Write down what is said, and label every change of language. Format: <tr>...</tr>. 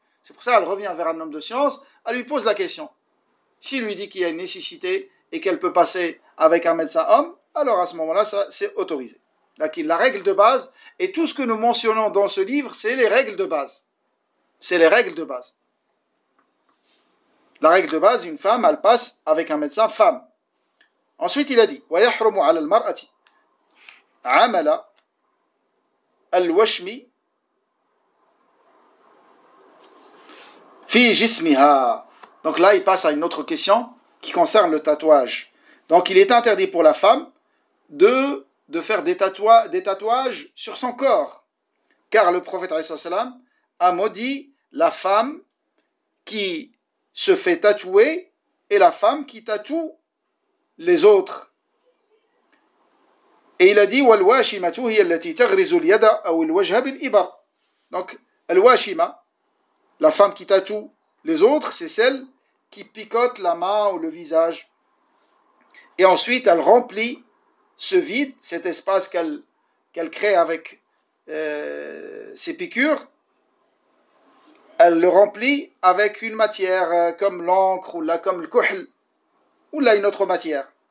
<fr>C'est pour ça qu'elle revient vers un homme de science, elle lui pose la question. S'il lui dit qu'il y a une nécessité et qu'elle peut passer avec un médecin homme, alors à ce moment-là, ça, c'est autorisé. La règle de base, et tout ce que nous mentionnons dans ce livre, c'est les règles de base. C'est les règles de base. La règle de base, une femme, elle passe avec un médecin femme. Ensuite, il a dit,</fr> <ar>وَيَحْرُمُ عَلَى الْمَرْأَةِ عَمَلَ الْوَشْمِ فِي جِسْمِهَا.</ar> <fr>Donc là, il passe à une autre question qui concerne le tatouage. Donc, il est interdit pour la femme de faire des tatouages sur son corps. Car le prophète a maudit la femme qui se fait tatouer et la femme qui tatoue les autres. Et il a dit</fr> <ar>وَالْوَاشِمَةُ هِيَ الَّتِي تَغْرِزُ الْيَدَ أَوْ الْوَجْهَ بِالْإِبَرِ.</ar> <fr>Donc, الْوَاشِمَة, la femme qui tatoue les autres, c'est celle qui picote la main ou le visage. Et ensuite, elle remplit ce vide, cet espace qu'elle crée avec ses piqûres, elle le remplit avec une matière comme l'encre ou là comme le kuhl, ou là une autre matière.</fr>